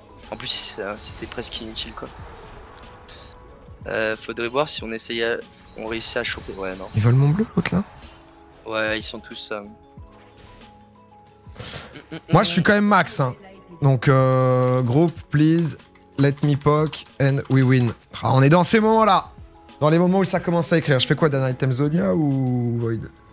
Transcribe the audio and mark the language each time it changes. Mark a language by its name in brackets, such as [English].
[French] En plus, c'était presque inutile, quoi. Faudrait voir si on réussit à choper. Ouais, non. Ils veulent mon bleu, l'autre là. Ouais, ils sont tous. Moi, je suis quand même max, hein. [English] Donc, group, please, let me poke and we win. [French] Ah, on est dans ces moments-là. Dans les moments où ça commence à écrire. Je fais quoi, Dan Item Zonia ou Void?